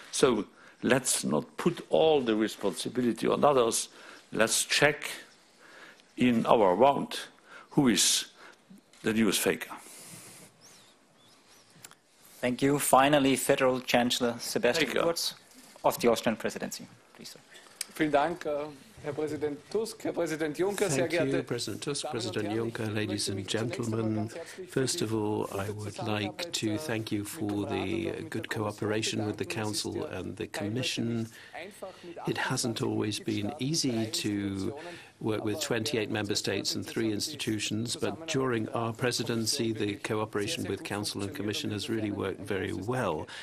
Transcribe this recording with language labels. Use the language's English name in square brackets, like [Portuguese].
[English] So let's not put all the responsibility on others. Let's check in our round who is the news faker. Thank you. Finally, Federal Chancellor Sebastian Kurz of the Austrian Presidency. Please, sir. [German] Vielen Dank, Herr Präsident Tusk, Herr Präsident Juncker, sehr geehrte. [English] Thank you, President Tusk, President Juncker, ladies and gentlemen. First of all, I would like to thank you for the good cooperation with the Council and the Commission. It hasn't always been easy to work with 28 member states and 3 institutions, but during our presidency, the cooperation with Council and Commission has really worked very well.